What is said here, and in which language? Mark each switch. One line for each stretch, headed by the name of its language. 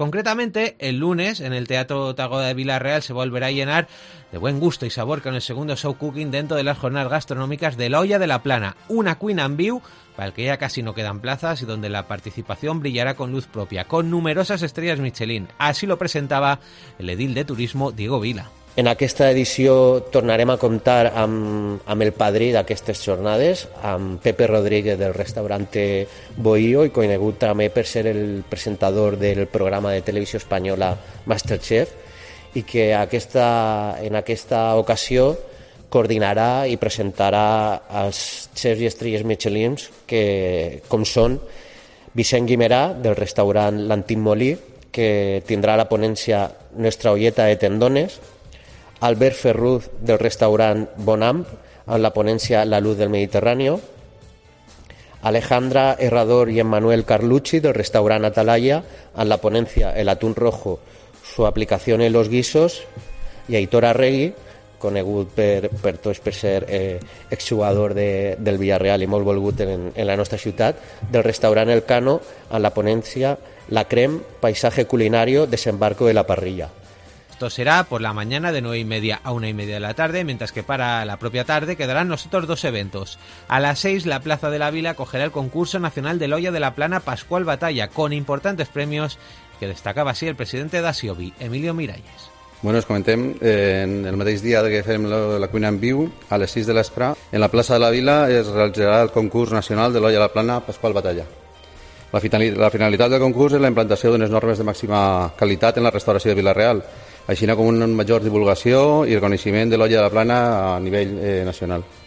Spanish: Concretamente, el lunes, en el Teatro Tagoda de Villarreal, se volverá a llenar de buen gusto y sabor con el segundo show cooking dentro de las jornadas gastronómicas de La Olla de la Plana, una Queen and View, para el que ya casi no quedan plazas y donde la participación brillará con luz propia, con numerosas estrellas Michelin. Así lo presentaba el edil de turismo Diego Vila.
Catalan: En aquesta edició tornarem a comptar amb el padrí d'aquestes jornades, amb Pepe Rodríguez del restaurante Bohío, i conegut també per ser el presentador del programa de televisió espanyola Masterchef, i que en aquesta ocasió coordinarà i presentarà els xefs i estrelles michelins, que com són Vicent Guimerà del restaurant L'Antic Molí, que tindrà la ponència Nuestra Olleta de Tendones, Albert Ferruz del restaurant Bonam, amb la ponència La Luz del Mediterráneo, Alejandra Herrador i Emmanuel Carlucci del restaurant Atalaya, amb la ponència El Atún Rojo, su aplicación en los guisos, i Aitor Arregui, conegut per ser exjugador del Villarreal i molt volgut en la nostra ciutat, del restaurant El Cano, amb la ponència La Creme, paisaje culinario, desembarco de la parrilla.
Spanish: Esto será por la mañana de 9:30 a 1:30 de la tarde, mientras que para la propia tarde quedarán los otros dos eventos. A las 6, la Plaza de la Vila acogerá el concurso nacional de La Olla de la Plana Pascual Batalla, con importantes premios que destacaba así el presidente de Asiobi, Emilio Miralles. Bueno, os comenté,
Catalan: en el mateix dia que fem la cuina en viu, a les 6 de l'esprà, en la Plaça de la Vila es realitzarà el concurs nacional de La Olla de la Plana Pascual Batalla. La finalitat del concurs és la implantació d'unes normes de màxima qualitat en la restauració de Vila-real, així com una major divulgació i reconeixement de l'olla de la Plana a nivell nacional.